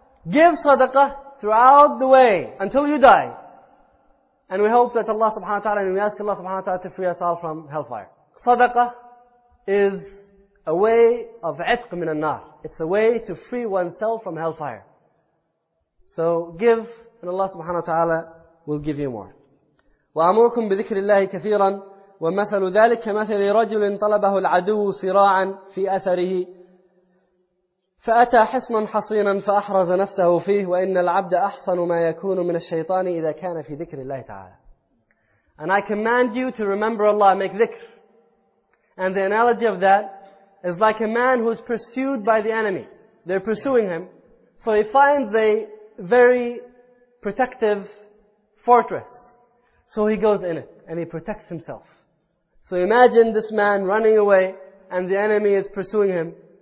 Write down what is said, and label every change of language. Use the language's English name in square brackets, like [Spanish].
[English] Give sadaqah throughout the way until you die. And we hope that Allah subhanahu wa ta'ala, and we ask Allah subhanahu wa ta'ala to free us all from hellfire. Sadaqah is a way of itq min an-nar. It's a way to free oneself from hellfire. So give, and Allah subhanahu wa ta'ala will give you more. [Arabic] وَأَمُرْكُمْ بِذِكْرِ اللَّهِ كَثِيرًا وَمَثَلُ ذَلِكَ كَمَثَلِ رَجُلٍ طَلَبَهُ الْعَدُوُ صِرَاعًا فِي أَثَرِهِ فأتى حصنا حصينا فأحرز نفسه فيه وإن العبد أحصن ما يكون من الشيطان إذا كان في ذكر الله تعالى. [English] And I command you to remember Allah, make dhikr. And the analogy of that is like a man who is pursued by the enemy. They're pursuing him. So he finds a very protective fortress. So he goes in it and he protects himself. So imagine this man running away and the enemy is pursuing him.